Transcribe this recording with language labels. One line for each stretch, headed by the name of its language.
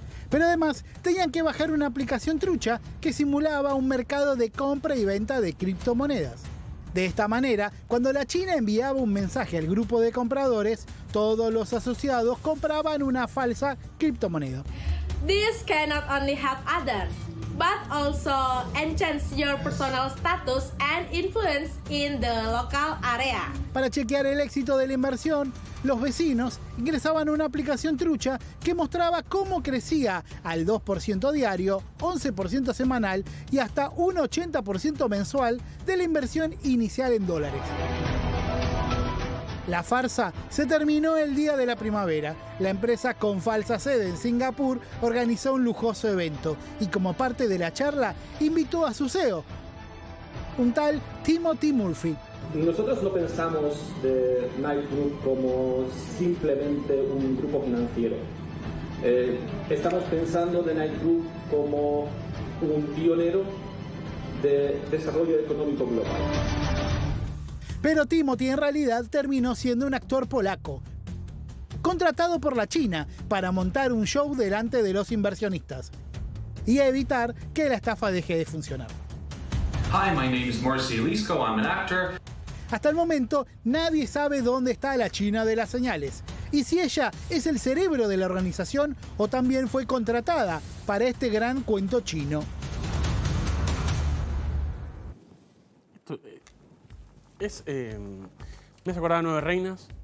Spanish: Pero además, tenían que bajar una aplicación trucha que simulaba un mercado de compra y venta de criptomonedas. De esta manera, cuando la China enviaba un mensaje al grupo de compradores, todos los asociados compraban una falsa criptomoneda.
English: This cannot only help others, but also enhance your personal status and influence in the local area.
Spanish: Para chequear el éxito de la inversión, los vecinos ingresaban a una aplicación trucha que mostraba cómo crecía al 2% diario, 11% semanal y hasta un 80% mensual de la inversión inicial en dólares. La farsa se terminó el día de la primavera. La empresa con falsa sede en Singapur organizó un lujoso evento y como parte de la charla invitó a su CEO, un tal Timothy Murphy. Nosotros no pensamos de Knight Group como simplemente un grupo financiero. Estamos pensando de Knight Group como un pionero de desarrollo económico global. Pero Timothy en realidad terminó siendo un actor polaco, contratado por la China para montar un show delante de los inversionistas y evitar que la estafa deje de funcionar.
English: Hi, my name is Marcy Lisco, I'm an actor.
Spanish: Hasta el momento, nadie sabe dónde está la China de las señales y si ella es el cerebro de la organización o también fue contratada para este gran cuento chino. Es, me hace acordar a Nueve Reinas.